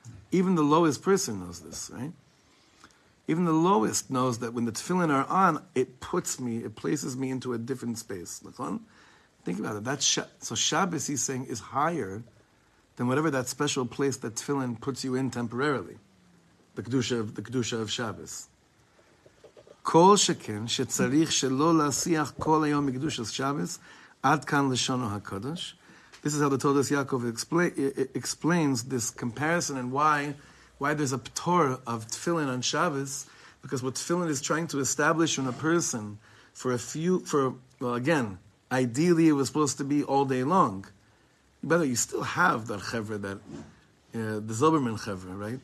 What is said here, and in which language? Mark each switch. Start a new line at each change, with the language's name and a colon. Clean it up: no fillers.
English: Even the lowest person knows this, right? Even the lowest knows that when the tefillin are on, it places me into a different space. Think about it. So Shabbos, he's saying, is higher than whatever that special place that tefillin puts you in temporarily. The kedusha of Shabbos.
Hebrew: כל שכן שצריך שלא להשיח כל היום מקדוש השבס, עד כאן לשונו הקדוש.
English: This is how the Todos Yaakov explains this comparison and why there's a ptor of tefillin on Shabbos, because what tefillin is trying to establish in a person ideally it was supposed to be all day long. By the way, you still have that chevra, the Zilberman chevra, right?